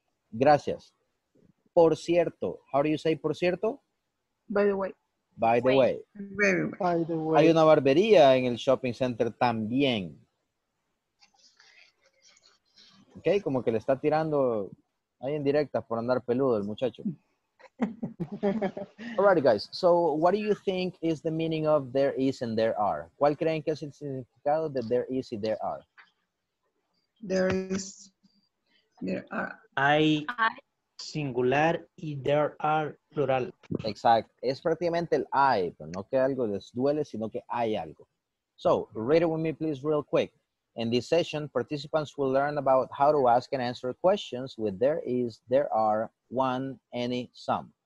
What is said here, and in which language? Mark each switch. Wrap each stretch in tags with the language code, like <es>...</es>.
<es>Gracias. Por cierto,</es> <en>how do you say</en> <es>por cierto?</es> <en>By the way.</en> <es>Hay una barbería en el shopping center también. Okay, como que le está tirando ahí en directa por andar peludo el muchacho.</es> <en>Alrighty, guys. So, what do you think is the meaning of there is and there are?</en> <es>¿Cuál creen que es el significado de</es> <en>there is</en> <es>y</es> <en>there are? There are.</en> <es>Hay singular y</es> <en>there are</en> <es>plural. Exacto. Es prácticamente el hay, pero no que algo les duele, sino que hay algo.</es> <en>So, read it with me, please, real quick. In this session, participants will learn about how to ask and answer questions with there is, there are, one, any, some.</en>